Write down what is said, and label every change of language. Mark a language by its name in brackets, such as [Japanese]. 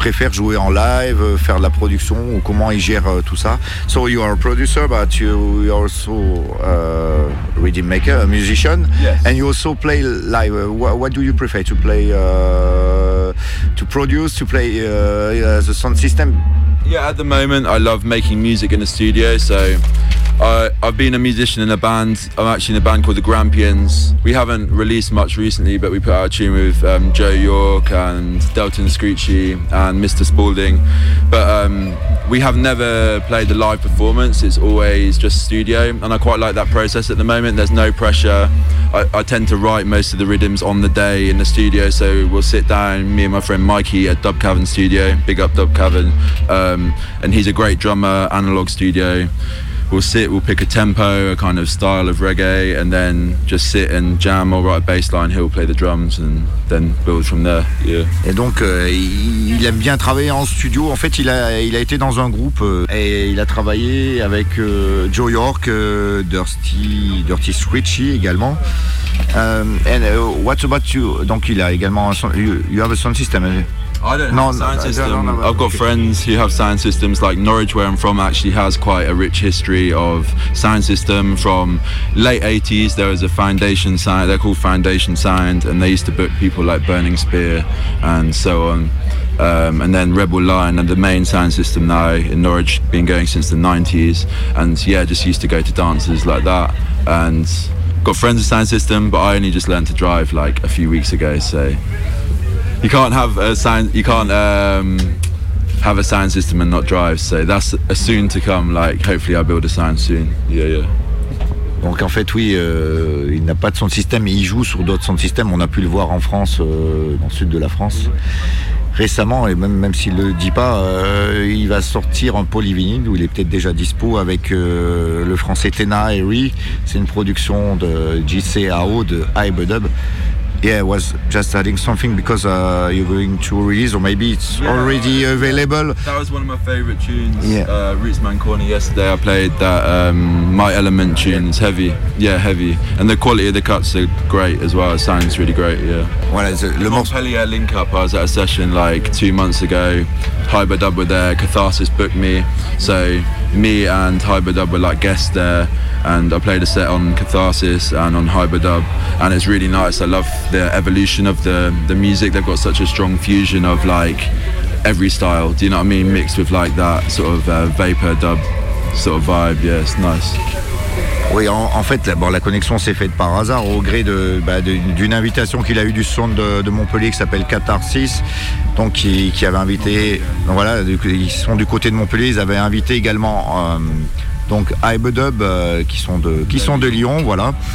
[French] Jouer en live, faire de la production, ou comment il gère tout ça. [English] So you are a producer, but you are also a rhythm maker, a musician, yes. And you also play live. What do you prefer to play? To produce, to play the sound system? Yeah, at the moment I love making music in the studio. So I've been a musician in a band. I'm actually in a band called the Grampians. We haven't released much recently, but we put out a tune with Joe York and Delton Screechy and Mr. Spaulding. But we have never played a live performance. It's always just studio. And I quite like that process at the moment. There's no pressure. I tend to write most of the rhythms on the day in the studio. So we'll sit down, me and my friend Mikey at Dub Cavern Studio. Big up Dub Cavern. And he's a great drummer, analog studio. We'll sit, we'll pick a tempo, a kind of style of reggae, and then just sit and jam. I'll write a bass line, he'll play the drums, and then build from there. Yeah. [French] Et donc, il aime bien travailler en studio. En fait, il a été dans un groupe et il a travaillé avec Joe York, Dirty Switchy également. [English] And what about you? [French] Donc, il a également un son, [English] you have a sound system. I don't have a sound system. I've got friends who have sound systems, like Norwich, where I'm from, actually has quite a rich history of sound system. From late 80s, there was a foundation sound, they're called Foundation Sound, and they used to book people like Burning Spear and so on. And then Rebel Lion, and the main sound system now in Norwich, been going since the 90s. And yeah, just used to go to dances like that. And got friends with sound system, but I only just learned to drive like a few weeks ago, so. You can't have a sound. You can't have a sound system and not drive. So that's a soon to come. Like hopefully, I build a sound soon. Yeah, yeah. [French] Donc en fait, oui, il n'a pas de sound system. Il joue sur d'autres sound systems. On a pu le voir en France, dans le sud de la France, récemment. Et même s'il le dit pas, il va sortir un polyvinyle où il est peut-être déjà dispo avec le français Tena et Ri. C'est une production de JCAO de Hybridub. [English] Yeah, I was just adding something because you're going to release, or maybe it's already available. That was one of my favorite tunes. Yeah. Roots Man Corner yesterday, I played that My Element tune. It's heavy. Yeah, heavy. And the quality of the cuts are great as well. It sounds really great, yeah. Well, it's the Montpellier link up. I was at a session like 2 months ago. Hybridub were there, Catharsis booked me. So me and Hybridub were like guests there. And I played a set on Catharsis and on Hybridub, and it's really nice. I love the evolution of the music. They've got such a strong fusion of like every style, do you know what I mean? Mixed with like that sort of vapor dub sort of vibe. Yeah, it's nice. [French] Oui, en fait, bon, la connexion s'est faite par hasard au gré d'une invitation qu'il a eue du son de Montpellier qui s'appelle Catharsis, donc qui avait invité. Donc voilà, ils sont du côté de Montpellier, ils avaient invité également. Donc Hybridub qui sont de Lyon, voilà.